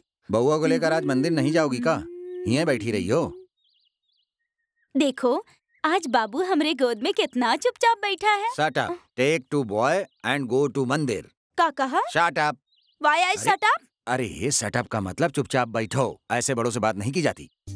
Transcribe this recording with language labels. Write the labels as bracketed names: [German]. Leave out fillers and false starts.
[Hindi] बहुआ को लेकर आज मंदिर नहीं जाओगी का? यहीं बैठी रही हो? देखो आज बाबू हमरे गोद में कितना चुपचाप बैठा है। [English] Shut up. Take two boy and go to mandir. [Hindi] का कहा? [English] Shut up. Why I shut up? [Hindi] अरे ये [English] shut up [Hindi] का मतलब चुपचाप बैठो, ऐसे बड़ों से बात नहीं की जाती।